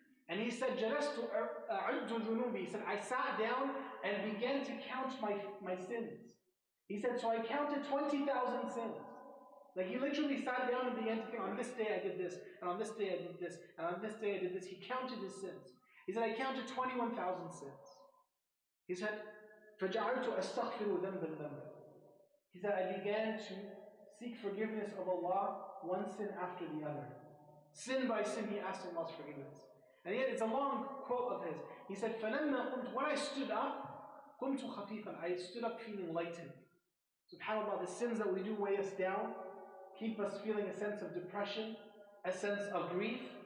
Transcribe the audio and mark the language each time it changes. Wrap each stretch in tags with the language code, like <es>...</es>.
<en>And he said,</en> <ar>جَلَسْتُ أَعُدُّ ذُنُوبِ.</ar> <en>He said, I sat down and began to count my sins. He said, so I counted 20,000 sins. Like, he literally sat down and began to think, on this day I did this, and on this day I did this, and on this day I did this. He counted his sins. He said, I counted 21,000 sins. He said,</en> <ar>فَجَعَلْتُ أَسْتَغْفِرُ ذَنْبَ ذَنْبَ.</ar> <en>He said, I began to seek forgiveness of Allah, one sin after the other. Sin by sin, he asked Allah's forgiveness. And yet, it's a long quote of his. He said,</en> <ar>فَلَمَّا قُمْتُ</ar> <en>When I stood up,</en> <ar>قُمْتُ خَفِيفًا</ar> <en>I stood up feeling lightened. SubhanAllah, the sins that we do weigh us down, keep us feeling a sense of depression, a sense of grief.</en>